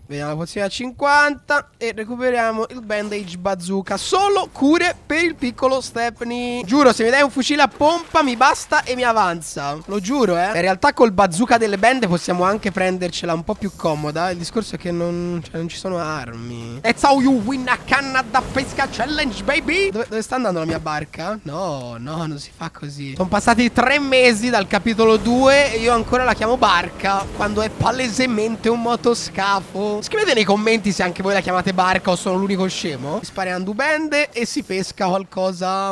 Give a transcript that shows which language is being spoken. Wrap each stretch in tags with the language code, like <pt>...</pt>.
<it>Vediamo la pozione a 50. E recuperiamo il bandage bazooka. Solo cure per il piccolo Stepney. Giuro, se mi dai un fucile a pompa mi basta e mi avanza. Lo giuro, eh. In realtà col bazooka delle bende possiamo anche prendercela un po' più comoda. Il discorso è che non, cioè, non ci sono armi.</it> <en>That's how you win a</en> <it>canna da pesca</it> <en>challenge, baby.</en> <it>Dove sta andando la mia barca? No, no, non si fa così. Sono passati 3 mesi dal capitolo 2 e io ancora la chiamo barca, quando è palesemente un motoscafo. Scrivete nei commenti se anche voi la chiamate barca o sono l'unico scemo. Sparando bende e si pesca qualcosa.</it>